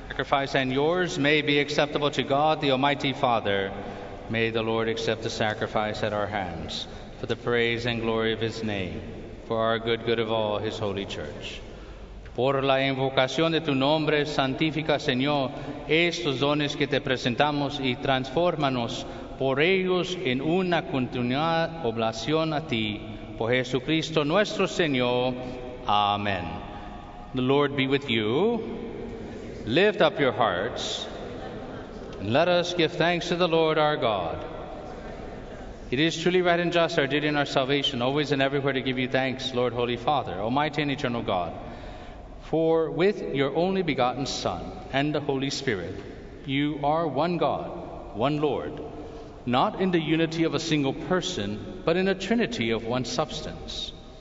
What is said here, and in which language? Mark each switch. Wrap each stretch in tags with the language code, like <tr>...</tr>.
<en>And yours may be acceptable to God, the Almighty Father. May the Lord accept the sacrifice at our hands for the praise and glory of his name, for our good, good of all his holy church.</en> <es>Por la invocación de tu nombre, santifica, Señor, estos dones que te presentamos y transfórmanos por ellos en una continuada oblación a ti, por Jesucristo nuestro Señor.</es> <en>Amen. The Lord be with you. Lift up your hearts, and let us give thanks to the Lord our God. It is truly right and just, our duty and our salvation, always and everywhere to give you thanks, Lord, Holy Father, Almighty and Eternal God. For with your only begotten Son and the Holy Spirit, you are one God, one Lord, not in the unity of a single person, but in a trinity of one substance.</en>